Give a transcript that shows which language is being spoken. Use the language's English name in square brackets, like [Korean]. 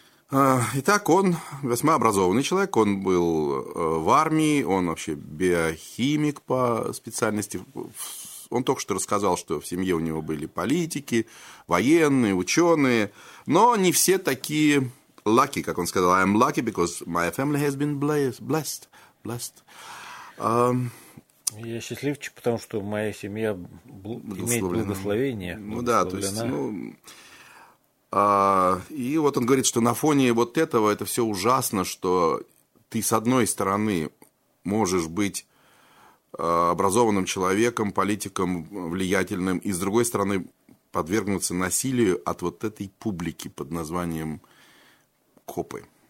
[Russian] Итак, он весьма образованный человек, он был в армии, он вообще биохимик по специальности. Он только что рассказал, что в семье у него были политики, военные, ученые, но не все такие lucky, как он сказал. [English] I'm lucky because my family has been blessed. [Russian] Я счастливчик, потому что моя семья имеет благословение. Ну да, то есть, ну... И вот он говорит, что на фоне вот этого это все ужасно, что ты с одной стороны можешь быть образованным человеком, политиком влиятельным, и с другой стороны подвергнуться насилию от вот этой публики под названием копы.